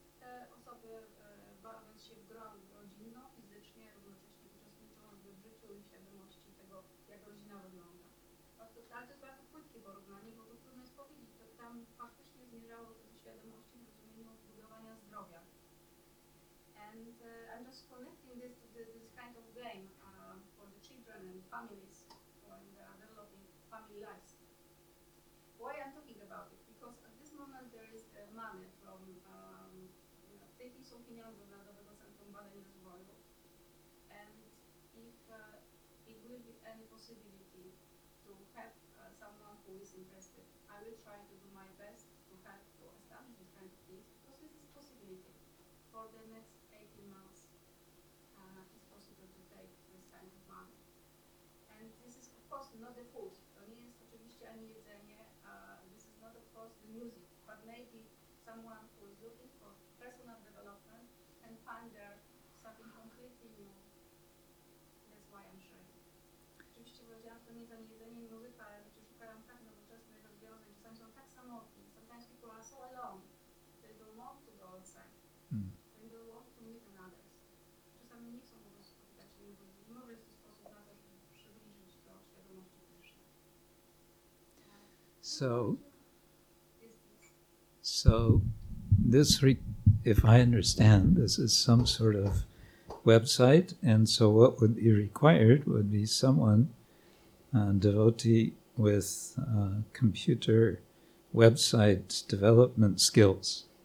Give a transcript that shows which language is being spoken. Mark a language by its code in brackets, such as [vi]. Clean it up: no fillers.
[pl] te osoby, bawiąc się w grono rodzinną, fizycznie równocześnie uczestniczą w życiu i świadomości tego, jak rodzina wygląda. Bardzo, ale to jest bardzo płytkie porównanie, bo to trudno jest powiedzieć. To tam faktycznie zmierzało to do świadomości w rozumieniu budowania zdrowia. [en] And I'm just connecting this to this kind of game for the children and families when they are developing family lives. Why I'm talking about it? Because at this moment there is money from taking some [pl] pieniądze dla Narodowego Centrum Badań Rozwoju, [en] and if it will be any possibility to have someone who is interested, I will try to do my best to help to establish this kind of things, because this is a possibility. For the next 18 months, it's possible to take this kind of money. And this is, of course, not the food. [pl] To nie jest oczywiście ani jedzenie. [en] This is not, of course, the music. But maybe someone who is looking for personal development can find there something completely new. That's why I'm sharing. [pl] Oczywiście powiedziałam, to nie jest ani jedzenie i muzyka, ale rzeczywiście szukałam tak nowoczesnych rozwiązań. Czasami są tak samotni. [en] Sometimes people are so alone. They don't want to go outside. They don't want to meet another. [pl] Czasami nie chcą po prostu spotykać się z ludźmi. Może jest to sposób na to, żeby przybliżyć do świadomości Krishna. [en] So this, if I understand, this is some sort of website, and so what would be required would be someone, a devotee with computer website development skills.